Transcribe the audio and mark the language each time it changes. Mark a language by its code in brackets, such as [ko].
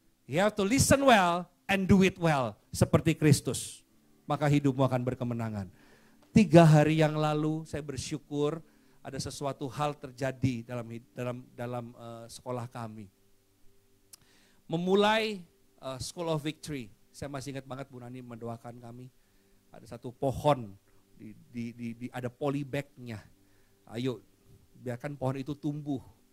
[en] You have to listen well and do it well. [id] Seperti Kristus. Maka hidupmu akan berkemenangan. 3 hari yang lalu saya bersyukur ada sesuatu hal terjadi dalam sekolah kami. Memulai School of Victory. Saya masih ingat banget Bu Nani mendoakan kami. Ada satu pohon, di ada polybag-nya. Ayo, biarkan pohon itu tumbuh.